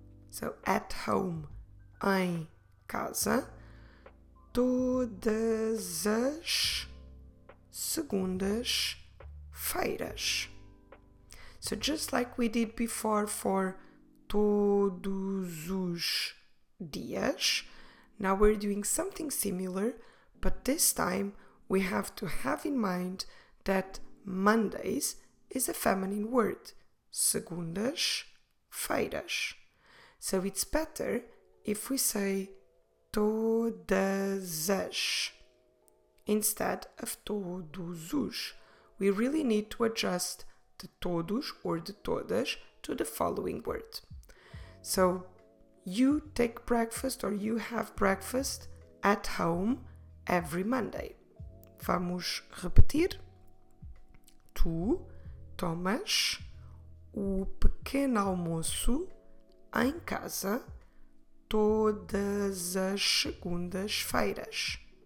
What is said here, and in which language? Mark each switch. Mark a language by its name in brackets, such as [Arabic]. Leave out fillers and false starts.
[English] So at home, [Portuguese] em casa, todas as segundas-feiras. [English] So just like we did before for [Portuguese] todos os dias, [English] now we're doing something similar, but this time we have to have in mind that Mondays is a feminine word, [Portuguese] segundas-feiras. [English] So it's better if we say [Portuguese] todas as [English] instead of [Portuguese] todos os. [English] We really need to adjust the todos or the todas to the following word. So you take breakfast or you have breakfast at home every Monday. [Portuguese] Vamos repetir. Tu tomas o pequeno almoço em casa todas as segundas-feiras.